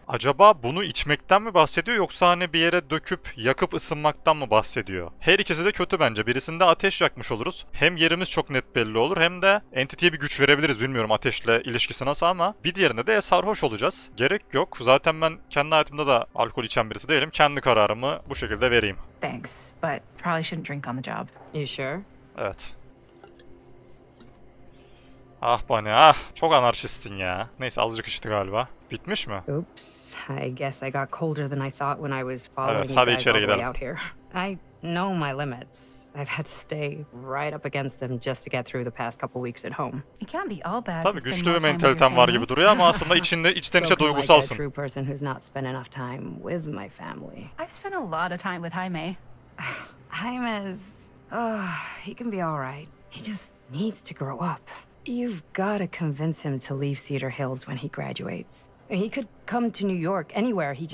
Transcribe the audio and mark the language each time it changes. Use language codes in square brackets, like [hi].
[tr] Acaba bunu içmekten mi bahsediyor, yoksa hani bir yere döküp yakıp ısınmaktan mı bahsediyor? Her ikisi de kötü bence. Birisinde ateş yakmış oluruz. Hem yerimiz çok net belli olur, hem de entity'ye bir güç verebiliriz. Bilmiyorum ateşle ilişkisi nasıl, ama bir diğerinde de sarhoş olacağız. Gerek yok. Zaten ben kendi hayatımda da alkol içen birisi değilim. Kendi kararımı bu şekilde vereyim. [en] Thanks, but probably shouldn't drink on the job. You sure? [tr] Evet. Ah bana, ah çok anarşistin ya. Neyse, azıcık içti galiba. Bitmiş mi? [en] Oops, I guess I got colder than I thought when I was following you guys all the way out here. I know my limits. I've had to stay right up against them just to get through the past couple weeks at home. It can't be all bad. [tr] Tabii güçlü bir mentalitem var gibi duruyor ama aslında içten içe duygusalsın. [en] True person who's not spent enough time with my family. I've spent a lot of time with Jaime. Jaime is, oh, he can be all right. He just needs to grow up. You've got to convince him to leave Cedar Hills when he graduates. He could come to New York anywhere. He just